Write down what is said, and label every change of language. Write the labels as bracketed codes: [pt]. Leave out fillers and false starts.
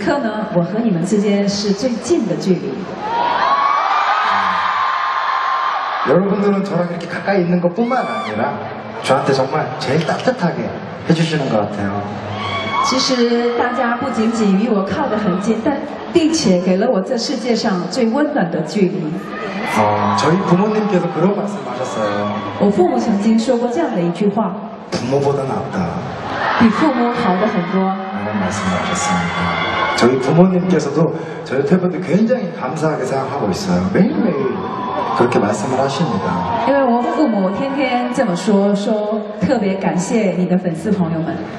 [zh] 其实星星之间相隔着亿万光年最远的距离，但此刻呢，我和你们之间是最近的距离。 [ko] 여러분들은 저랑 이렇게 가까이 있는 것뿐만 아니라 저한테 정말 제일 따뜻하게 해주시는 것 같아요. [zh] 其实大家不仅仅与我靠得很近，但并且给了我这世界上最温暖的距离。 [ko] 저희 부모님께서 그런 말씀하셨어요. [zh] 我父母曾经说过这样的一句话。 [ko] 부모보다 낫다. [zh] 比父母好的很多. [ko] 이런 말씀하셨습니다. 저희 부모님께서도 저희 태분들 굉장히 감사하게 생각하고 있어요. 매일매일 그렇게 말씀을 하십니다. [zh] 因为我父母天天这么说，说特别感谢你的粉丝朋友们。